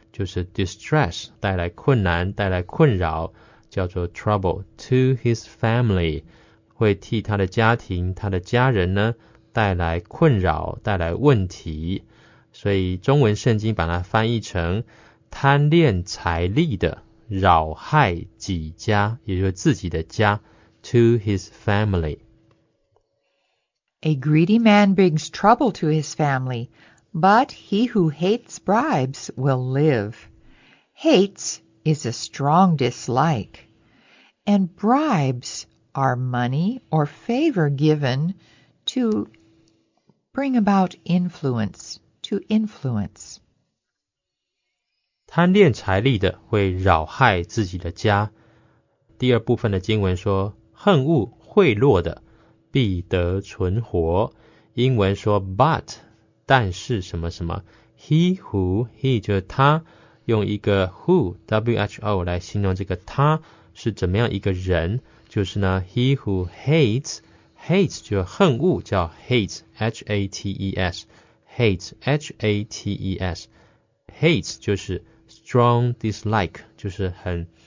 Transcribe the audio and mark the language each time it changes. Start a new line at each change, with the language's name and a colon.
Chinese: 就是 distress, 带来困难带来困扰叫做
English: trouble to his family,
Chinese: 会替他的家庭他的家人呢带来困扰带来问题。所以中文圣经把它翻译成贪恋财利的扰害己家也就是自己的家
English: to his family. A greedy man brings trouble to his family. But he who hates bribes will live. Hates is a strong dislike. And bribes are money or favor given to bring about influence, to influence.
Chinese: 贪恋财利的会扰害自己的家。第二部分的经文说，恨恶贿赂的必得存活。英文说 but... 但是什么什么 ,he who, he 就是他用一个 who,w-h-o 来形容这个他是怎么样一个人就是呢 ,
English: he who hates,
Chinese: hates 就是恨恶叫 hates,h-a-t-e-s,hates,h-a-t-e-s,hates 就是
English: strong dislike,
Chinese: 就是很